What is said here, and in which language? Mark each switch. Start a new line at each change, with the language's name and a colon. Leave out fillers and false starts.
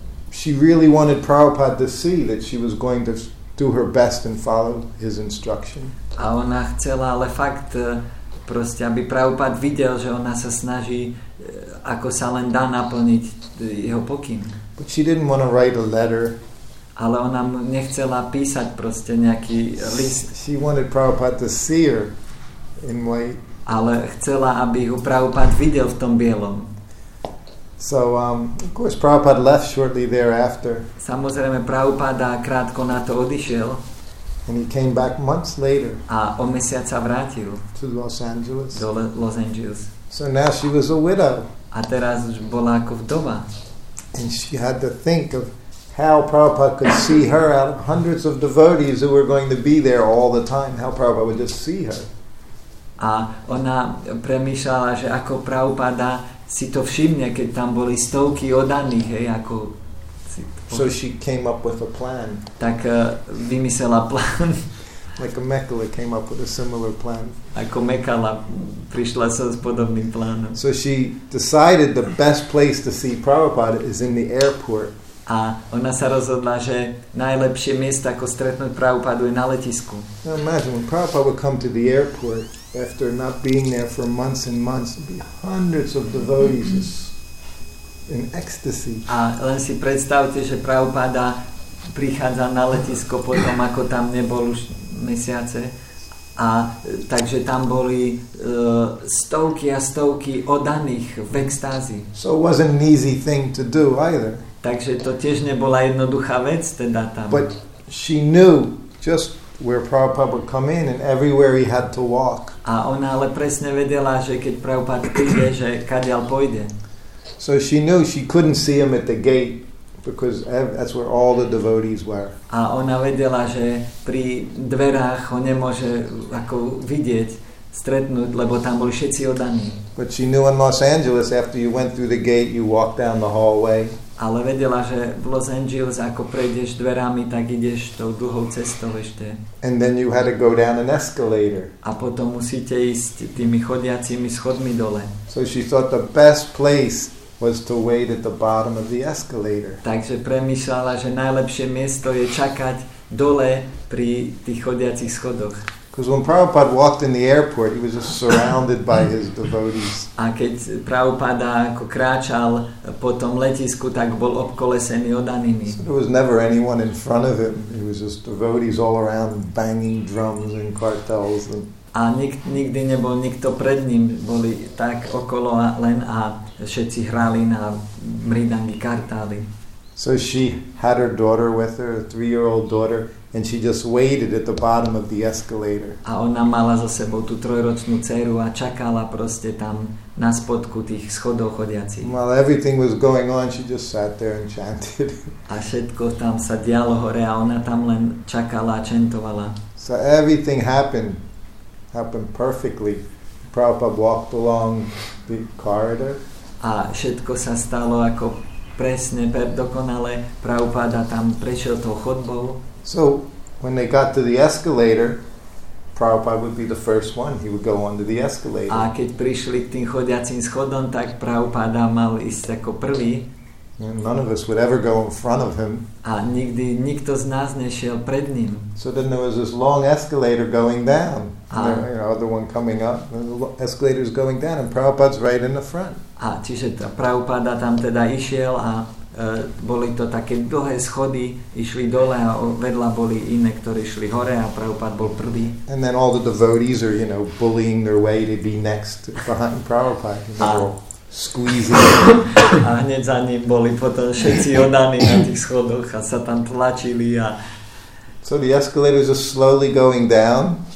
English: she really wanted Prabhupada to see that she was going to do her best and follow his instruction.
Slovak: A ona chcela ale fakt proste, aby Prabhupada videl, že ona sa snaží, ako sa len dá naplniť jeho pokyn.
English: But she didn't want to write a letter.
Slovak: Ale ona nechcela písať proste nejaký list.
English: She wanted Prabhupada to see her in white.
Slovak: Ale chcela, aby ho Prabhupada videl v tom bielom.
English: So, of course, Prabhupada left shortly thereafter.
Slovak: Samozrejme, Prabhupada krátko na to odišiel.
English: And he came back months later.
Slovak: A o mesiac sa vrátil.
English: To Los Angeles.
Slovak: Do Los Angeles.
English: So now she was a widow.
Slovak: A teraz bola ako vdova.
English: And she had to think of how Prabhupada could see her out of hundreds of devotees who were going to be there all the time. How Prabhupada would just see her.
Slovak: A ona premýšľala, že ako Prabhupada si to všimne, keď tam boli stovky oddaných, hej, ako...
English: So she came up with a plan.
Slovak: Tak vymyslela plán.
English: Like a Mekala came up with a similar plan.
Slovak: Ako Mekala prišla sa s podobným plánom.
English: So she decided the best place to see Prabhupada is in the airport.
Slovak: A ona sa rozhodla, že najlepšie miesto, ako stretnúť Prabhupadu, je na letisku.
English: Now imagine, when Prabhupada would come to the airport after not being there for months and months, there'd be hundreds of devotees just in ecstasy.
Slovak: A len si predstavte, že Prabhupada prichádza na letisko potom, ako tam nebol už mesiace. A takže tam boli stovky a stovky oddaných v extázi.
English: So it wasn't an easy thing to do either.
Slovak: Takže to tiež nebola jednoduchá vec teda tam.
English: But she knew just where Prabhupada would come in and everywhere he had to walk.
Slovak: A ona ale presne vedela, že keď Prabhupada príde, že kadiaľ pôjde.
English: So she knew she couldn't see him at the gate because that's where all the devotees were.
Slovak: A ona vedela, že pri dverách ho nemôže ako vidieť, stretnúť, lebo tam boli všetci oddaní.
English: But she knew in Los Angeles after you went through the gate you walked down the hallway.
Slovak: Ale vedela, že v Los Angeles, ako prejdeš dverami, tak ideš tou dlhou cestou ešte.
English: And then you had to go down an escalator.
Slovak: A potom musíte ísť tými chodiacimi schodmi dole.
English: So she thought the best place was to wait at the bottom of the escalator.
Slovak: Takže premýšľala, že najlepšie miesto je čakať dole pri tých chodiacich schodoch.
English: Because when Prabhupada walked in the airport, he was just surrounded by his devotees.
Slovak: A keď Prabhupada ako kráčal po tom letisku, tak bol obkolesený oddanými.
English: So there was never anyone in front of him. He was just devotees all around banging drums and kartels. And...
Slovak: A nikdy nebol nikto pred ním. Boli tak okolo len a všetci hrali na mridangy kartály.
English: So she had her daughter with her, a 3-year-old daughter. And she just waited at the bottom of the escalator.
Slovak: A ona mala za sebou tú trojročnú dceru a čakala proste tam na spodku tých schodov chodiacich.
English: While everything was going on, she just sat there and chanted.
Slovak: A všetko tam sa dialo hore a ona tam len čakala a čentovala.
English: So everything happened perfectly. Prabhupada walked along the corridor.
Slovak: A všetko sa stalo ako presne, dokonale. Prabhupada tam prešiel tou chodbou.
English: So when they got to the escalator, Prabhupada would be the first one. He would go onto the escalator.
Slovak: A keď prišli k tým chodiacim schodom, tak Prabhupada mal ísť ako prvý.
English: And none of us would ever go in front of him.
Slovak: A nikdy nikto z nás nešiel pred ním.
English: So then there was this long escalator going down. Another one coming up. And the escalator is going down, and Prabhupada's right in the front.
Slovak: A čiže Prabhupada tam teda išiel a boli to také dlhé schody, išli dole a vedľa boli iné, ktorí išli hore a Prabhupada bol prvý.
English: And then all the devotees are, you know, bullying their way to be next behind Prabhupada. They're all squeezing.
Slovak: A hneď za ním boli potom všetci oddaní na tých schodoch a sa tam tlačili a...
English: So the escalator is just slowly going down.